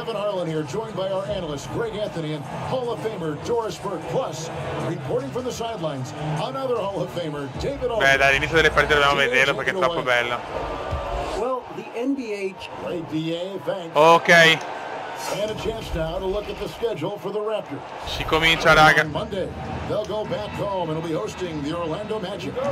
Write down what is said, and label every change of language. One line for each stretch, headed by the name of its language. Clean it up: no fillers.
English: Kevin Harlan here, joined by our analyst Greg Anthony and Hall of Famer Doris Burke. Plus, reporting from the sidelines, another Hall of Famer David.
Italian: Beh, dai, l'inizio delle partite dobbiamo vederlo perché è troppo bello.
English: Well, the NBA. Ok. And a chance now to look at the schedule for the Raptors.
Italian: Si comincia, raga.
English: Monday, they'll go back home and will be hosting the Orlando Magic.